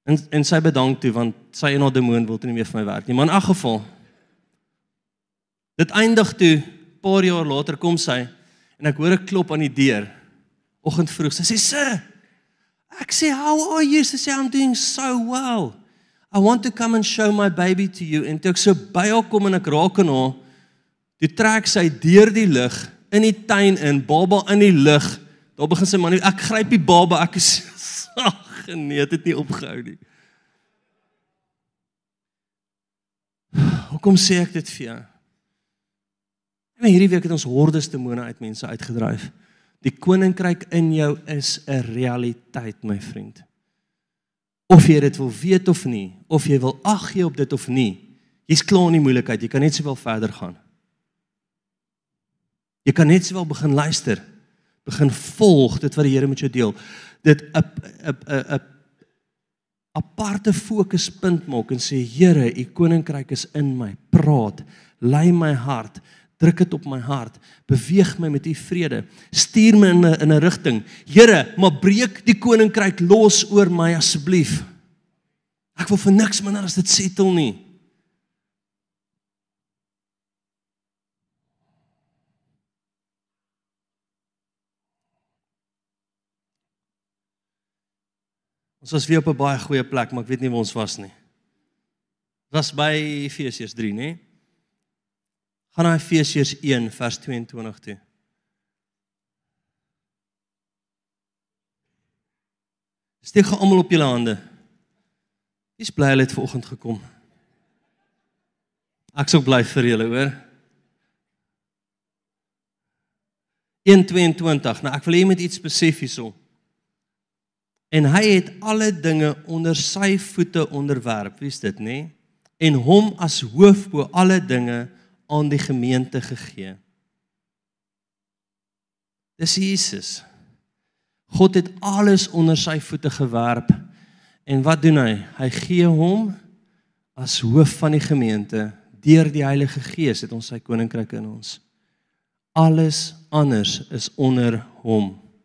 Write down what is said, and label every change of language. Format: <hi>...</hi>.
<af>En sy bedank toe, want sy en haar demoon wil toe nie meer vir my werk nie, maar in elk geval, Dit eindig toe, paar jaar later kom sy, en ek hoor 'n klop aan die deur, oggend vroeg, sy sê, sir, ek sê,</af> <en>how are you? Sy sê, I'm doing so well. I want to come and show my baby to you.</en> <af>En toe ek so by haar kom en ek raak aan haar, toe trek sy deur die lig, in die tuin in, baba in die lig, daar begin sy man, ek gryp die baba, ek is sag, nee, het nie opgehou nie. Hoekom sê ek dit vir jou? En hierdie week het ons hordes demone uit mense uitgedryf. Die koninkryk in jou is 'n realiteit, my vriend. Of jy dit wil weet of nie, of jy wil ag gee op dit of nie, jy's klaar in die moeilikheid, jy kan net sowel verder gaan. Jy kan net sowel begin luister, begin volg dit wat die Here met jou deel. Dit 'n aparte fokuspunt maak en sê, Here, u koninkryk is in my, praat, lei my hart, druk het op my hart, beweeg my met die vrede, stuur my in 'n rigting, Here, maar breek die koninkryk los oor my asseblief. Ek wil vir niks minder as dit settel nie. Ons was weer op 'n baie goeie plek, maar ek weet nie waar ons was nie. Was by Efesiërs 3, nie? Gaan naar Efesiërs 1 vers 22 toe. Steek gaan allemaal op julle hande. Wie is blij hulle het vanoggend gekom? Ek is ook blij vir julle, hoor. 1:22. Nou, ek wil hier met iets spesifies om. En hy het alle dinge onder sy voete onderwerp, wie is dit nie? En hom as hoof bo alle dinge aan die gemeente gegee. Dis Jesus. God het alles onder sy voete gewerp. En wat doen hy? Hy gee hom as hoof van die gemeente, deur die Heilige Gees het ons sy koninkryk in ons. Alles anders is onder hom.</af>